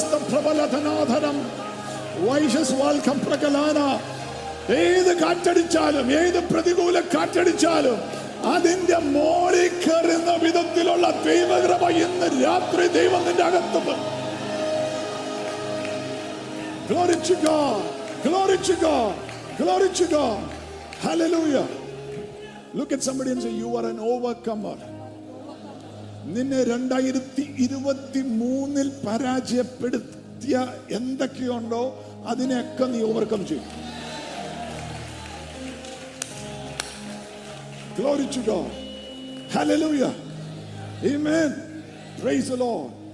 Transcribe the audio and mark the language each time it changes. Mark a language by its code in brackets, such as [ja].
[ml] പ്രബലധനാധനം വൈശസ് വാൽക്കം പ്രകലാന ഏത് കാറ്റടിച്ചാലും ഏത് പ്രതികൂല കാറ്റടിച്ചാലും അതിന്റെ മോളി കയറുന്ന വിധത്തിലുള്ള ദൈവകൃപ ഇന്ന് രാത്രി ദൈവം നിന്റെ അകത്ത് [en] Glory to God. Glory to God. Glory to God. Hallelujah. Look at somebody and say, you are an overcomer. [ml] നിന്നെ 2023 പരാജയപ്പെടുത്തിയ എന്തൊക്കെയുണ്ടോ അതിനെയൊക്കെ നീ ഓവർകം ചെയ്യും. [en] Glory to God. Hallelujah. Amen. Praise the Lord.